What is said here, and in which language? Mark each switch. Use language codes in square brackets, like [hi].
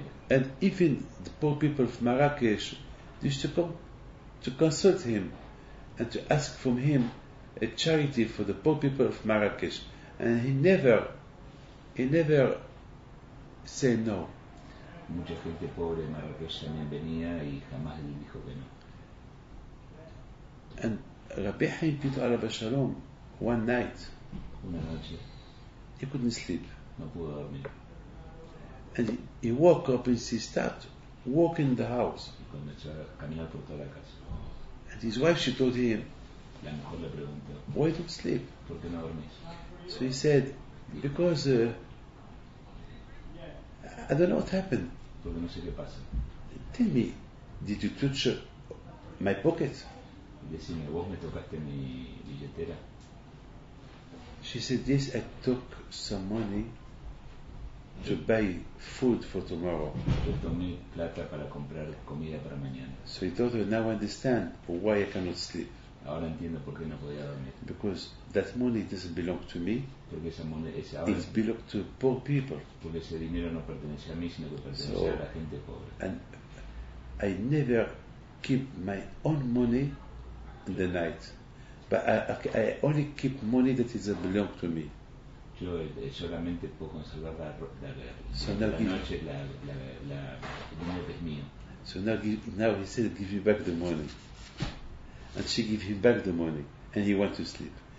[en] And even the poor people of Marrakesh used to come to consult him and to ask from him a charity for the poor people of Marrakesh. And he never said no. [es] Mucha gente pobre de Marrakech también venía y jamás le dijo que no. [en] And Rabbi Chaim Pinto Alav Shalom, one night, [es] una noche, [en] he couldn't sleep. [es] No pudo dormir. [en] And he woke up and he started walking the house. [es] Y comenzó a caminar por toda la casa. [en] And his wife, she told him, [es] la mujer le preguntó, [en] why don't you sleep? [es] ¿Por qué no dormís? [en] So he said, because I don't know what happened. [es] Porque no sé qué pasa. [en] Tell me, did you touch my pocket? [es] Decime, ¿vos me tocaste mi billetera? [en] She said, yes, I took some money to buy food for tomorrow. [es] Yo tomé plata para comprar comida para mañana. [en] So he told her, now I understand why I cannot sleep. [es] Ahora entiendo por qué no podía dormir. [en] Because that money doesn't belong to me. [es] Porque esa moneda, esa [en] ahora, it belongs to poor people. [es] Porque ese dinero no pertenece a mí, sino que pertenece a la gente pobre. [en] And I never keep my own money in the night. But I only keep money that is belong to me. [es] Yo solamente puedo conservar la dinero que es mío. [en] So now he said, give me back the money. And she gave him back the money, and he went to sleep.